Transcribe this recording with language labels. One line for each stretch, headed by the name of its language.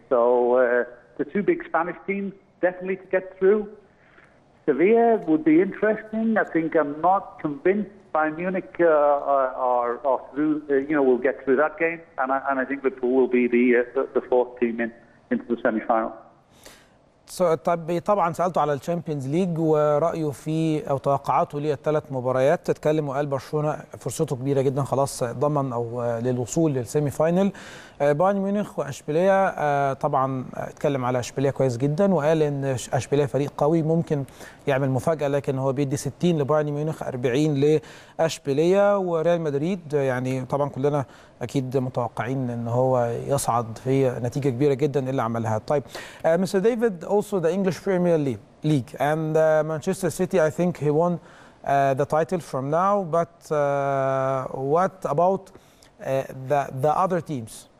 English: So the two big Spanish teams definitely to get through. Sevilla would be interesting. I think I'm not convinced Bayern Munich are through, you know, will get through that game, and I think Liverpool will be the fourth team into the semi-final. So,
Arabic: طبعا سألته على الشامبيونز ليج ورأيه في أو توقعاته للثلاث مباريات. تكلم وقال برشلونة فرصته كبيرة جدا, خلاص ضمن أو للوصول للسيمي فاينل. بايرن ميونخ وأشبيلية طبعا اتكلم على أشبيلية كويس جدا, وقال إن أشبيلية فريق قوي ممكن يعمل مفاجأة, لكن هو بيدي 60 لبايرن ميونخ 40 لأشبيلية. وريال مدريد يعني طبعا كلنا أكيد متوقعين إن هو يصعد في نتيجة كبيرة جدا اللي عملها. طيب
English: مستر ديفيد, also the English Premier League and Manchester City, I think he won the title from now, but what about the other teams?